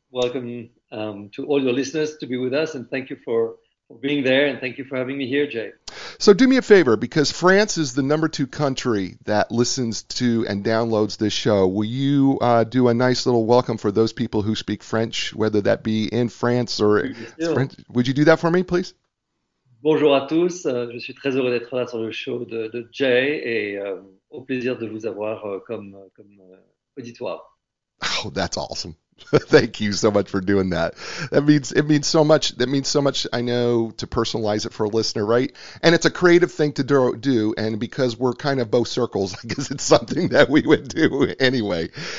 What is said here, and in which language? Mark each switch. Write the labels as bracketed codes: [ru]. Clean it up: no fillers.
[en] Welcome to all your listeners to be with us, and thank you for being there, and thank you for having me here, Jay. So do me a favor, because France is the number two country that listens to and downloads this show. Will you do a nice little welcome for those people who speak French, whether that be in France or French? Would you do that for me, please? [fr] Bonjour à tous. Je suis très heureux d'être là sur le show de Jay, et au plaisir de vous avoir comme auditoire. [en] Oh, that's awesome. Thank you so much for doing that. It means so much. That means so much, I know, to personalize it for a listener, right? And it's a creative thing to do, and because we're kind of both circles, I guess it's something that we would do anyway.